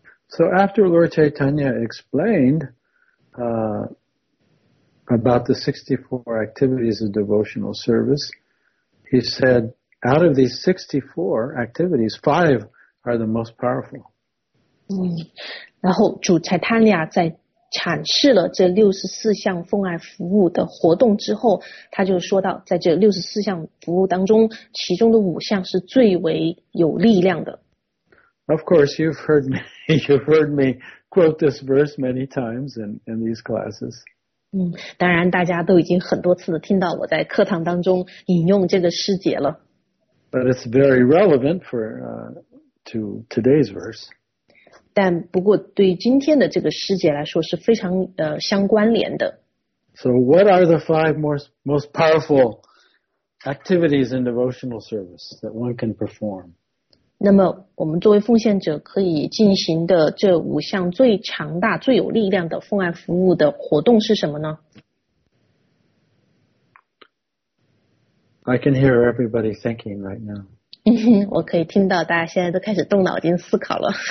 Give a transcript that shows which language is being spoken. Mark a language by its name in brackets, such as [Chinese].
[English] So after Lord Chaitanya explained about the 64 activities of devotional service, he said, out of these 64 activities, five are the most powerful. [Chinese] 然后主 Chaitanya 在阐释了这64项奉爱服务的活动之后，他就说到在这64项服务当中，其中的五项是最为有力量的。 [English] Of course, you've heard me quote this verse many times in these classes. [Chinese] 当然大家都已经很多次的听到我在课堂当中引用这个诗节了。 [English] But it's very relevant to today's verse. [Chinese] 但不过对今天的这个师姐来说是非常相关联的。 [English] So what are the five most powerful activities in devotional service that one can perform? [Chinese] 那么我们作为奉献者可以进行的这五项最强大最有力量的奉爱服务的活动是什么呢？ [English] I can hear everybody thinking right now. [Chinese] 我可以听到大家现在都开始动脑筋思考了。